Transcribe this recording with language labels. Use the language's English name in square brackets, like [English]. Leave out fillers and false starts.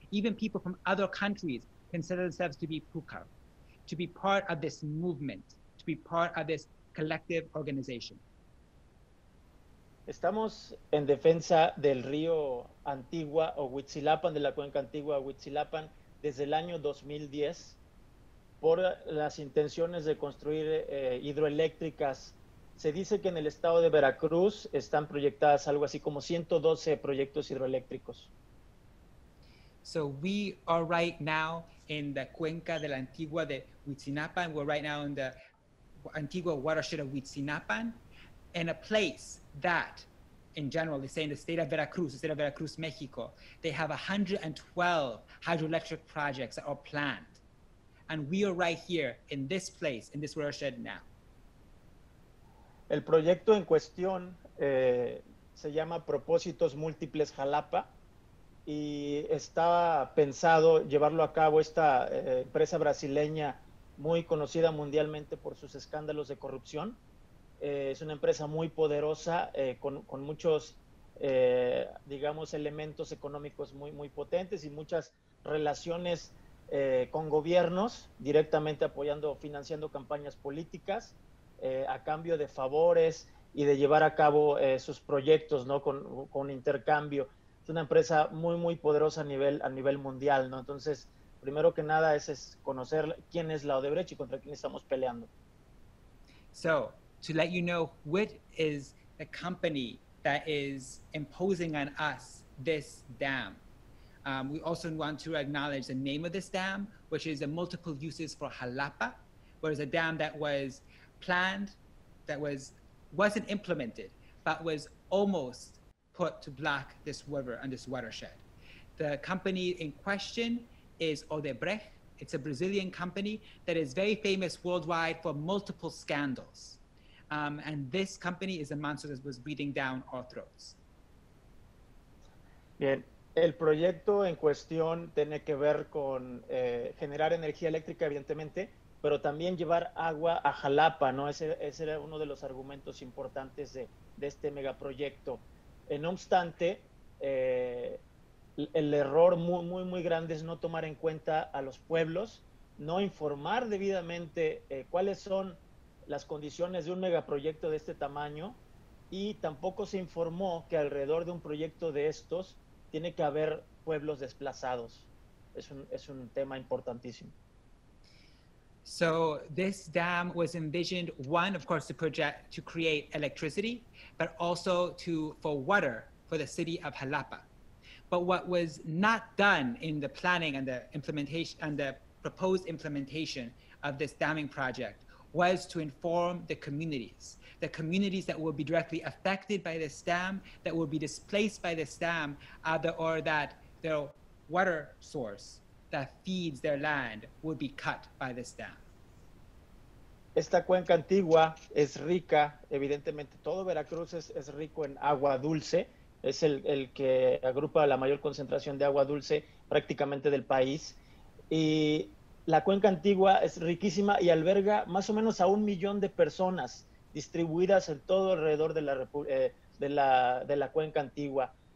[English] Even people from other countries consider themselves to be PUCAR, to be part of this movement, to be part of this collective organization. [Spanish] Estamos en defensa del río Antigua o Huitzilapan, de la cuenca antigua Huitzilapan, desde el año 2010, por las intenciones de construir hidroeléctricas. Se dice que en el estado de Veracruz están proyectadas algo así como 112 proyectos hidroeléctricos. [English] So we are right now in the cuenca de la antigua de Huitzinapan. We're right now in the Antigua watershed of Huitzinapan, in a place that, in general, they say in the state of Veracruz, Mexico, they have 112 hydroelectric projects that are planned. And we are right here in this place, in this watershed now. [Spanish] El proyecto en cuestión se llama Propósitos Múltiples Jalapa y estaba pensado llevarlo a cabo esta empresa brasileña muy conocida mundialmente por sus escándalos de corrupción. Es una empresa muy poderosa con muchos, digamos, elementos económicos muy, muy potentes y muchas relaciones con gobiernos directamente apoyando, financiando campañas políticas. A cambio de favores y de llevar a cabo sus proyectos, ¿no? Con intercambio. Es una empresa muy, muy poderosa a nivel mundial, ¿no? Entonces, primero que nada es conocer quién es la Odebrecht y contra quién estamos peleando. [English] So, to let you know, what is the company that is imposing on us this dam? We also want to acknowledge the name of this dam, which is the Multiple Uses for Jalapa, whereas a dam that was planned, that wasn't implemented, but was almost put to block this river and this watershed. The company in question is Odebrecht. It's a Brazilian company that is very famous worldwide for multiple scandals. And this company is a monster that was breathing down our throats. [Spanish] Bien, el proyecto en cuestión tiene que ver con generar energía eléctrica, evidentemente, pero también llevar agua a Xalapa, ¿no? Ese era uno de los argumentos importantes de este megaproyecto. No obstante, el error muy, muy, muy grande es no tomar en cuenta a los pueblos, no informar debidamente cuáles son las condiciones de un megaproyecto de este tamaño, y tampoco se informó que alrededor de un proyecto de estos tiene que haber pueblos desplazados. Es un tema importantísimo. [English] So this dam was envisioned, one, of course, to project to create electricity, but also for water for the city of Xalapa. But what was not done in the planning and the implementation and the proposed implementation of this damming project was to inform the communities that will be directly affected by this dam, that will be displaced by this dam, or that their water source that feeds their land will be cut by this dam. [Spanish] Esta cuenca antigua es rica, evidentemente todo Veracruz es rico en agua dulce, es el que agrupa la mayor concentración de agua dulce prácticamente del país, y la cuenca antigua es riquísima y alberga más o menos a 1 millón de personas distribuidas en todo alrededor de la cuenca antigua.